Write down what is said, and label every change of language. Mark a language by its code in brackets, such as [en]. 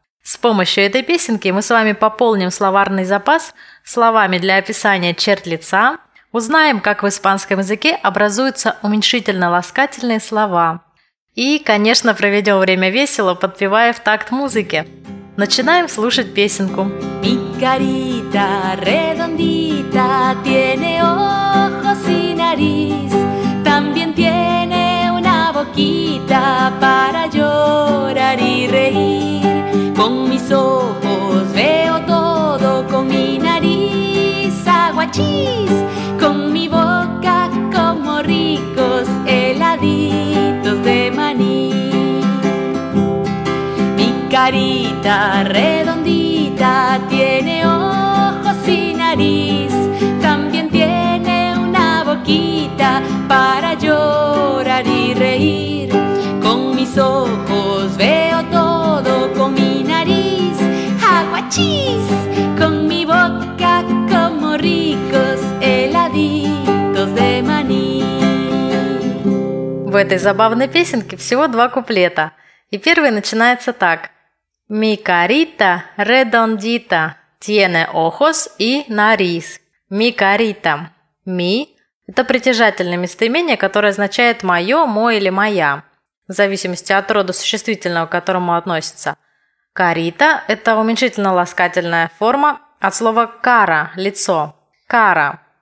[ru] С помощью этой песенки мы с вами пополним словарный запас словами для описания черт лица, узнаем, как в испанском языке образуются уменьшительно-ласкательные слова – и, конечно, проведем время весело, подпевая в такт музыке. Начинаем слушать песенку. [es] Mi carita redondita tiene ojos y nariz, también tiene una boquita para llorar y reír. Con mis ojos veo todo, con mi nariz aguachís, con mi boca como ricos heladitos de maní. Mi carita redondita tiene ojos y nariz, también tiene una boquita para llorar y reír. Con mis ojos veo todo, con mi nariz aguachís, con mi boca como ricos heladitos de maní. [ru] В этой забавной песенке всего два куплета. И первый начинается так. [es] Mi carita redondita tiene ojos y nariz. Mi carita. [ru] Mi – это притяжательное местоимение, которое означает «моё», «мой» или «моя», в зависимости от рода существительного, к которому относится. Carita – это уменьшительно-ласкательная форма от слова cara – «лицо». [es] Cara.